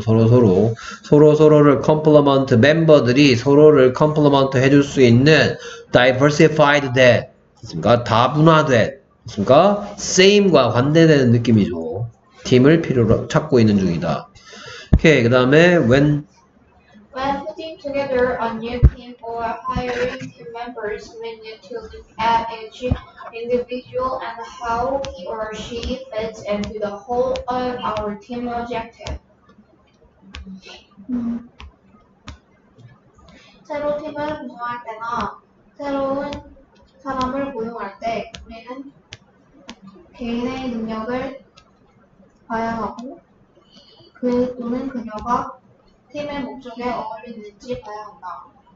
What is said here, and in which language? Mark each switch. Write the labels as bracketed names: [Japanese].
[Korean] 서로 서로 서로 서로를 complement 멤버들이 서로를 complement 해줄 수 있는 [English] diversified that [Korean] 그니까 다분화된 그니까 same과 관대되는 느낌이죠. 팀을 필요로 찾고 있는 중이다. 오케이. 그 다음에 [English] when putting together a new team or hiring new members, we need to look at each individual and how he or she fits into the whole of our team objective. [Korean] 새로 팀을 구성할 때나 새로운 사람을 고용할 때 우리는 개인의 능력을 봐야 하고 그 또는 그녀가 팀의 목적에 어울리는지 봐야 한다.